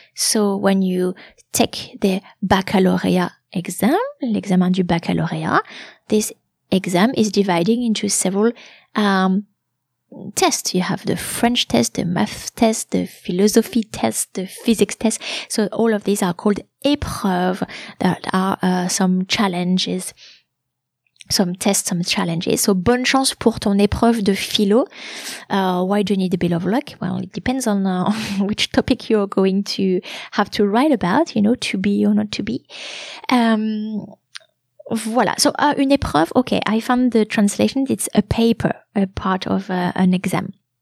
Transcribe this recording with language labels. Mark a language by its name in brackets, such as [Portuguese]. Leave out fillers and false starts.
[English] So when you take the baccalauréat exam, [French] l'examen du baccalauréat, [English] this exam is dividing into several tests. You have the French test, the math test, the philosophy test, the physics test. So all of these are called épreuves. That are some challenges, some tests, some challenges. [French] So bonne chance pour ton épreuve de philo. [English] Why do you need a bit of luck? Well, it depends on which topic you're going to have to write about, you know, to be or not to be. Voilà. So une épreuve, okay, I found the translation. It's a paper, a part of an exam.